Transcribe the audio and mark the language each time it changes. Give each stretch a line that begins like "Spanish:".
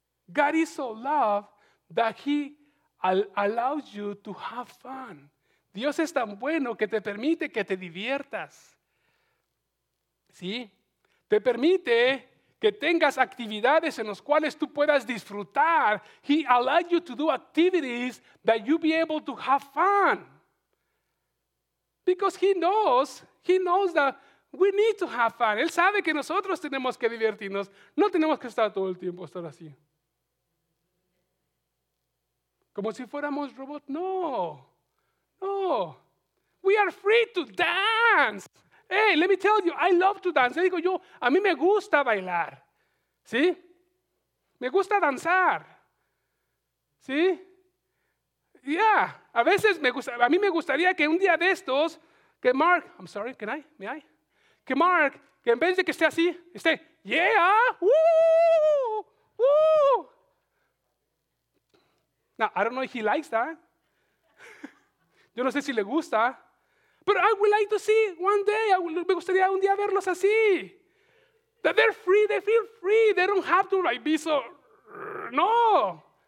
English: God is so love that he allows you to have fun.
Spanish: Dios es tan bueno que te permite que te diviertas. ¿Sí? Te permite que tengas actividades en las cuales tú puedas disfrutar.
English: He allows you to do activities that you be able to have fun. Because he knows that we need to have fun.
Spanish: Él sabe que nosotros tenemos que divertirnos. No tenemos que estar todo el tiempo estar así. Como si fuéramos robots. No. No.
English: We are free to dance. Hey, let me tell you, I love to dance.
Spanish: Le digo yo, a mí me gusta bailar. ¿Sí? Me gusta danzar. ¿Sí? Yeah. A veces me gusta, a mí me gustaría que un día de estos, que Mark,
English: I'm sorry, can I? May I?
Spanish: Que Mark, que en vez de que esté así, esté, yeah, woo, woo.
English: Now, I don't know if he likes that.
Spanish: Yo no sé si le gusta.
English: But I would like to see one day,
Spanish: me gustaría un día verlos así.
English: That they're free, they feel free, they don't have to like, be so, no.